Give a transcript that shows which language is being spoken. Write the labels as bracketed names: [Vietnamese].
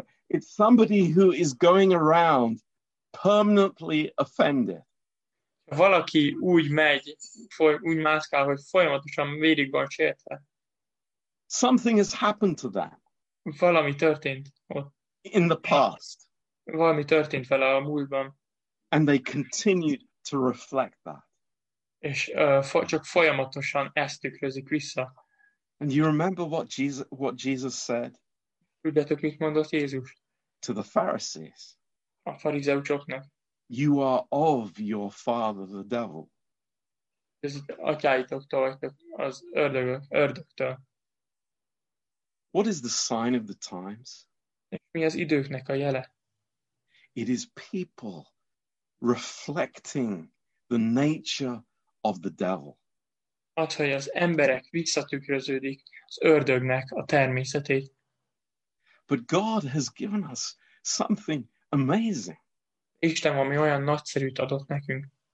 [English] It's somebody who is going around permanently offended. [Hungarian] valaki úgy megy, úgy mászkál, hogy folyamatosan végig van sértve. [English] Something has happened to that. [Hungarian] Valami történt ott. [English] In the past. [Hungarian] Valami történt vele a múltban. [English] And they continued to reflect that. [Hungarian] És csak folyamatosan ezt tükrözik vissza. [English] And you remember what Jesus said? [Hungarian] Tudjátok, mit mondott Jézus? [English] To the Pharisees. [Hungarian] A farizeusoknak. [English] You are of your father the devil. [Hungarian] Ez atyáitoktól vagytok, az ördögtől. [English] What is the sign of the times? [Hungarian] Mi az időknek a jele? [English] It is people reflecting the nature of the devil. [Hungarian] Az, hogy az emberek visszatükröződik az ördögnek a természetét. [English] But God has given us something amazing. [Hungarian] Isten valami olyan nagyszerűt adott nekünk.